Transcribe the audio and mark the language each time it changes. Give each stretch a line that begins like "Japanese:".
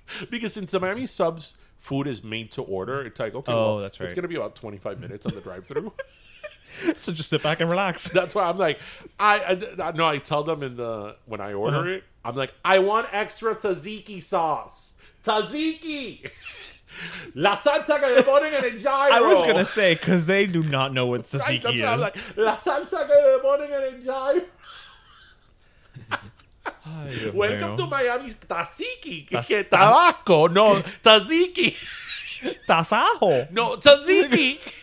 English: Because since the Miami Subs food is made to order, it's like, okay, that's right. It's going to be about 25 minutes on the drive-thru. So just sit back and relax. That's why I'm like, I tell them when I order it, I'm like, I want extra tzatziki sauce. Tzatziki!
Spanish: La salsa que le ponen en el gyro.
English: I was going to say, because they do not know what tzatziki is. That's why I'm like,
Spanish: la salsa que le ponen en el gyro.
English: Welcome to Miami.
Spanish: Tzatziki. Que tabaco. No, tzatziki. Tasajo. No, tzatziki.